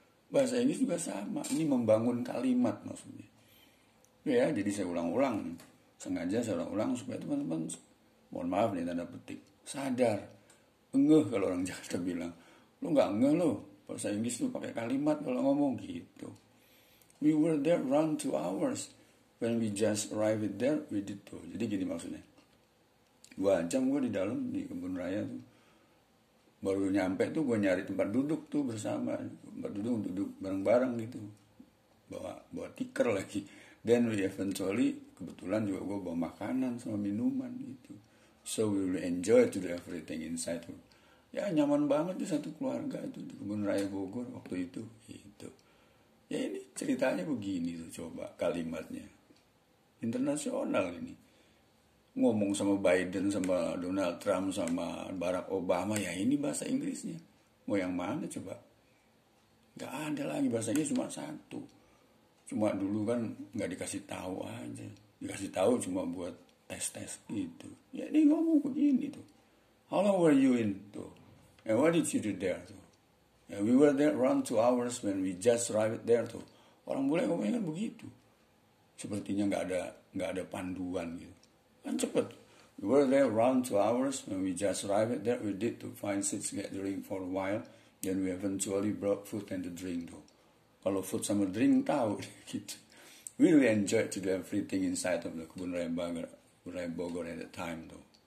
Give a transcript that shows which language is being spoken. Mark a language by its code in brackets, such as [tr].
[id] Bahasa ini juga sama. Ini membangun kalimat maksudnya. Ya, jadi saya ulang-ulang. Sengaja saya ulang-ulang supaya teman-teman, mohon maaf nih tanda petik, sadar. Ngeh kalau orang Jakarta bilang, lu gak ngeh lo. Bahasa Inggris tuh pakai kalimat kalau ngomong gitu. [en] We were there around 2 hours. When we just arrived there, we did too. [id] Jadi gini maksudnya. 2 jam gue di dalam, di kebun raya tuh. Baru nyampe tuh gue nyari tempat duduk tuh bersama. Tempat duduk, duduk bareng-bareng gitu. Bawa tiker lagi. [en] Then we eventually, [id] kebetulan juga gue bawa makanan sama minuman gitu. [en] So we really enjoy to do everything inside tuh. [id] Ya nyaman banget tuh satu keluarga tuh di kebun raya Bogor waktu itu. Gitu. Ya ini ceritanya begini tuh coba kalimatnya. Internasional ini. Ngomong sama Biden, sama Donald Trump, sama Barack Obama, ya ini bahasa Inggrisnya. Mau yang mana coba? Gak ada lagi, bahasanya cuma satu. Cuma dulu kan gak dikasih tahu aja. Dikasih tahu cuma buat tes-tes gitu. Ya ini ngomong begini tuh. [en] How long were you in [id] tuh? [en] And what did you do there tuh? Yeah, we were there around 2 hours when we just arrived there tuh. [id] Orang bule ngomongnya kan begitu. Sepertinya gak ada panduan gitu. Kan cepet. [en] We were there around 2 hours when we just arrived there. We did to find seats gathering for a while. Then we eventually brought food and the drink tuh. [id] kalau food sama drink tahu gitu. [en] We really enjoy to do everything inside of the Kebun Raya Bogor, at that time tuh.